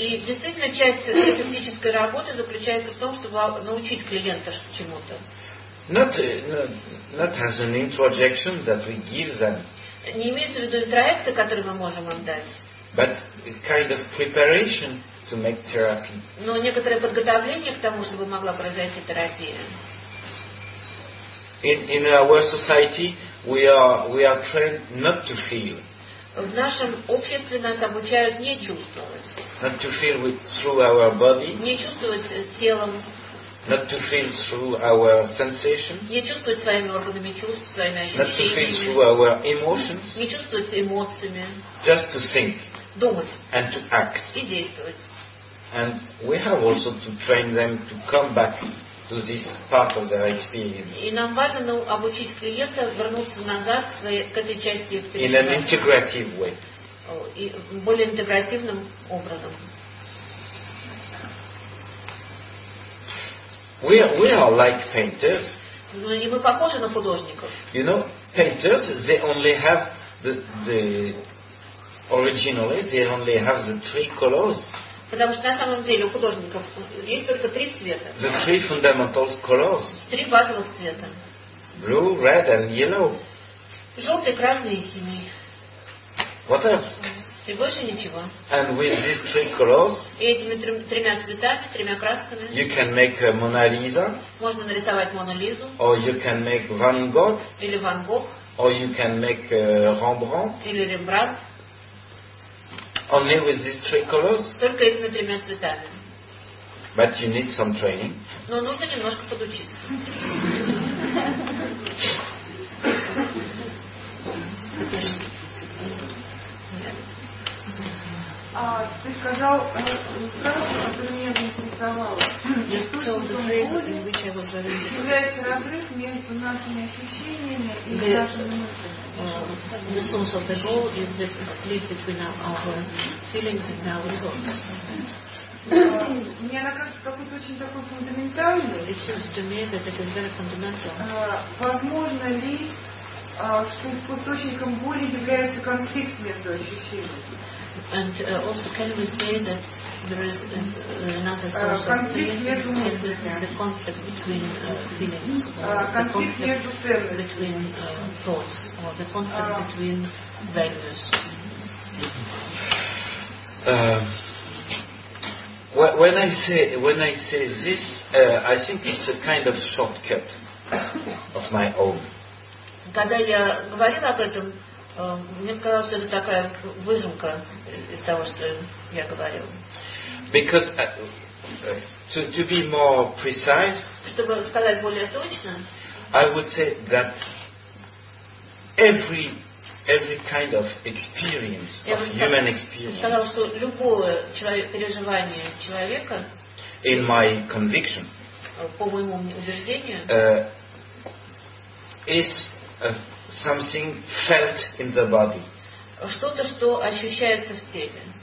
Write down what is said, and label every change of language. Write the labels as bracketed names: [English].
[Russian] И действительно часть терапевтической работы заключается в том, чтобы научить клиента чему-то. [English] Not as an introduction that we give them. [Russian] Не имеется в виду интроекты, которые мы можем им дать. [English] But kind of preparation to make therapy. [Russian] Но некоторое подготовление к тому, чтобы могла произойти терапия. [English] In our society we are trained not to feel. [Russian] В нашем обществе нас обучают не чувствовать. [English] Not to feel through our body. [Russian] Не чувствовать телом. [English] Not to feel through our sensations. [Russian] Не чувствовать своими органами чувств, своими ощущениями. [English] Not to feel through our emotions. [Russian] Не чувствовать эмоциями. [English] Just to think. [Russian] Думать. [English] And to act. [Russian] И действовать. [English] And we have also to train them to come back to this part of their experience. [Russian] И нам важно обучить клиента вернуться назад к своей, к этой части. [English] In an integrative way. [Russian] И более интегративным образом. [English] We are like painters. [Russian] И мы похожи на художников. [English] You know, painters, they only have the three colors. [Russian] Потому что на самом деле у художников есть только три цвета. [English] The three fundamental colors. [Russian] Три базовых цвета. [English] Blue, red and yellow. [Russian] Желтый, красный и синий. [English] What else? [Russian] И больше ничего. [English] And with these three colors. [Russian] И этими тремя цветами, тремя красками. [English] You can make a Mona Lisa. [Russian] Можно нарисовать Мона Лизу. [English] Or you can make Van Gogh. [Russian] Или Ван Гог. [English] Or you can make Rembrandt. [Russian] Или Рембрандт. [English] Only with these three colors. [Russian] Только этими тремя цветами. [English] But you need some training. [Russian] Но нужно немножко подучиться. Ты сказал, которая меня заинтересовала. Является разрыв между нашими ощущениями и нашими мыслями. [English] The source of the goal is the split between our feelings and our thoughts. [Russian] Мне она кажется какой-то очень такой фундаментальный. [English] It seems to me that it is very fundamental. [Russian] Возможно ли, что источником боли является конфликт между ощущениями? [English] And also can we say that there is another source of [Russian] conflict между мыслями? [English] The conflict between feelings. Conflict between thoughts. Or the conflict between values. When I say this, I think it's a kind of shortcut of my own. [Russian] Когда я говорила об этом, мне казалось, что это такая выжимка из того, что я говорила. [English] Because to be more precise, [Russian] чтобы сказать более точно, [English] I would say that every kind of experience, human experience, [Russian] сказала, что любое переживание человека, [English] in my conviction, [Russian] по моему убеждению, [English] is something felt in the body. [Russian] Что-то, что ощущается в теле.